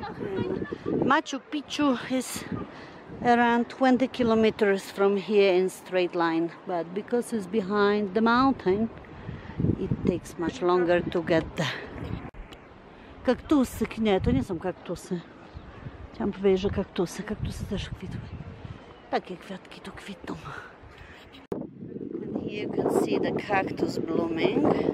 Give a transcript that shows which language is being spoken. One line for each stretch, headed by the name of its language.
English: Machu Picchu is around 20 kilometers from here in straight line, but because it's behind the mountain, it takes much longer to get there.
Polish: Kaktusy, nie, to nie są kaktusy. Chciałam powiedzieć, że kaktusy. Kaktusy też kwitły. Takie kwiatki tu kwitną.
English: And here you can see the cactus blooming.